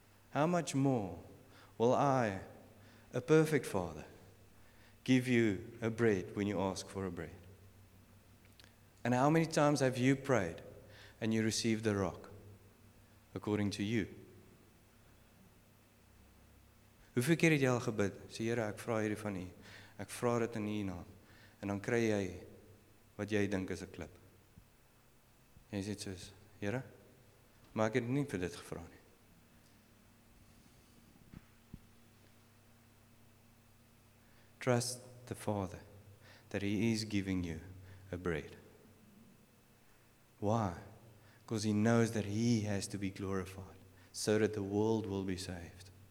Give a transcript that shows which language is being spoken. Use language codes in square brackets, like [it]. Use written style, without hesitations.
[en] How much more will I, a perfect father, give you a bread when you ask for a bread? And how many times have you prayed and you received a rock according to you? [af] Hoeveel keer het jy al gebid? Sê, Here, ek vra hierdie van u. Ek vra dit in u naam. En dan kry jy wat jy dink is 'n klip. En jy sê soos, Here, maar ek het nie vir dit gevra nie. [en] Trust the Father that he is giving you a bread. Why? Because he knows that he has to be glorified so that the world will be saved.